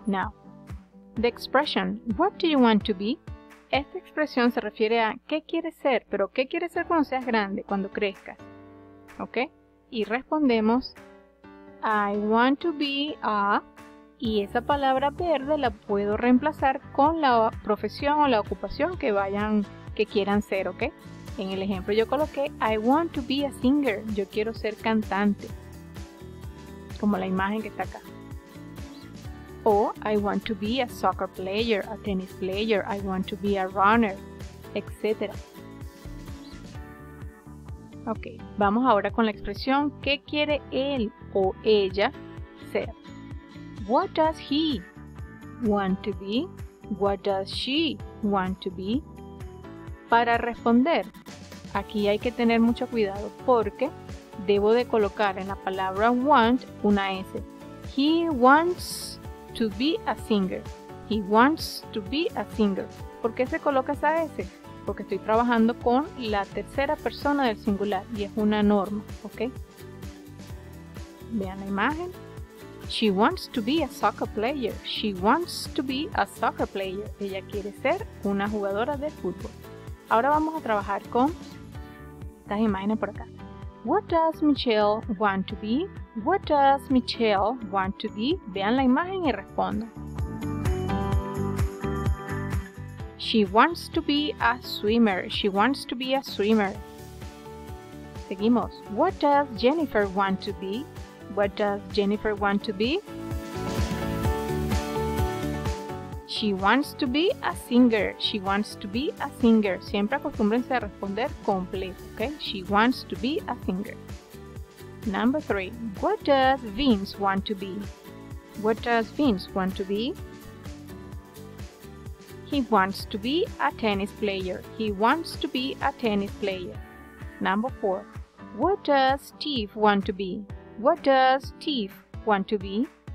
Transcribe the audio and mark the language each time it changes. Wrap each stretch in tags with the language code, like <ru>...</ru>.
<en>Now, the expression, what do you want to be?</en> <es>Esta expresión se refiere a qué quieres ser, pero qué quieres ser cuando seas grande, cuando crezcas. ¿Ok? Y respondemos,</es> <en>I want to be a...</en> <es>Y esa palabra verde la puedo reemplazar con la profesión o la ocupación que vayan, que quieran ser, ¿ok? En el ejemplo yo coloqué,</es> <en>I want to be a singer.</en> <es>Yo quiero ser cantante. Como la imagen que está acá.</es> <en>O, I want to be a soccer player, a tennis player, I want to be a runner, etc.</en> <es>Ok, vamos ahora con la expresión, ¿qué quiere él o ella ser?</es> <en>What does he want to be? What does she want to be?</en> <es>Para responder, aquí hay que tener mucho cuidado porque debo de colocar en la palabra want una S.</es> <en>He wants to be a singer. He wants to be a singer.</en> <es>¿Por qué se coloca esa S? Porque estoy trabajando con la tercera persona del singular y es una norma, ¿ok? Vean la imagen.</es> <en>She wants to be a soccer player. She wants to be a soccer player.</en> <es>Ella quiere ser una jugadora de fútbol. Ahora vamos a trabajar con estas imágenes por acá.</es> <en>What does Michelle want to be? What does Michelle want to be?</en> <es>Vean la imagen y respondan.</es> <en>She wants to be a swimmer. She wants to be a swimmer.</en> <es>Seguimos.</es> <en>What does Jennifer want to be? What does Jennifer want to be? She wants to be a singer. She wants to be a singer.</en> <es>Siempre acostúmbrense a responder completo, ¿ok?</es> <en>She wants to be a singer. Number three. What does Vince want to be? What does Vince want to be? He wants to be a tennis player. He wants to be a tennis player. Number four. What does Steve want to be? What does Steve want to be?</en>